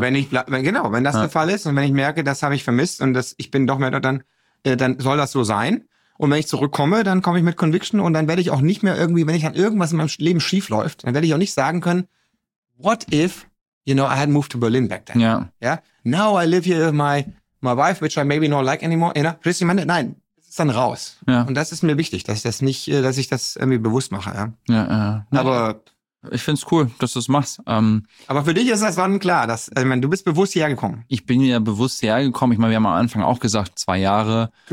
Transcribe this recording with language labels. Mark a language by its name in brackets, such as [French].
[German] Wenn das der Fall ist und wenn ich merke, das habe ich vermisst und das, ich bin doch mehr dort, dann soll das so sein. Und wenn ich zurückkomme, dann komme ich mit Conviction und dann werde ich auch nicht mehr irgendwie, wenn ich an irgendwas in meinem Leben schief läuft, dann werde ich auch nicht sagen können, [English] what if, you know, I had moved to Berlin back then. [German] Ja. [English] Yeah. Yeah? Now I live here with my wife, which I maybe not like anymore. You know? [German] Meine, nein, das ist dann raus. Ja. Und das ist mir wichtig, dass ich das nicht, dass ich das irgendwie bewusst mache. Ja, ja. Aber ich find's cool, dass du es machst. Aber für dich ist das dann klar, dass, also ich meine, du bist bewusst hergekommen. Ich bin ja bewusst hergekommen. Ich meine, wir haben am Anfang auch gesagt, 2 Jahre.